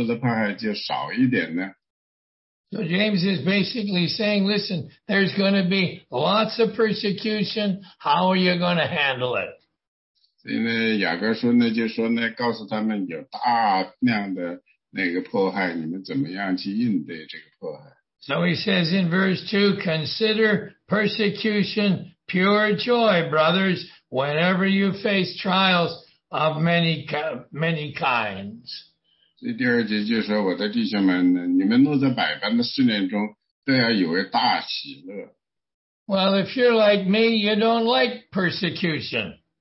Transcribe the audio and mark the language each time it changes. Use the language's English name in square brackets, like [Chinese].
[Chinese] 但是希伯来书呢,应对他们希伯来人的那个问题呢,就是他们继续跟从主耶稣基督呢,受到更多的迫害,还是回到他们的犹太会所,回到他们的圣殿里,回到犹太社区里面,他们所受的迫害就少一点呢。 [English] So James is basically saying, listen, there's going to be lots of persecution, how are you going to handle it? [Chinese] 所以呢,雅各书呢,就说呢,告诉他们有大量的那个迫害,你们怎么样去应对这个迫害? [English] So he says in verse 2, consider persecution pure joy, brothers, whenever you face trials of many kinds. [Chinese] 所以第二节就说,我的弟兄们,你们落在百般的试炼中,都要以为大喜乐。 [English] Well, if you're like me, you don't like persecution.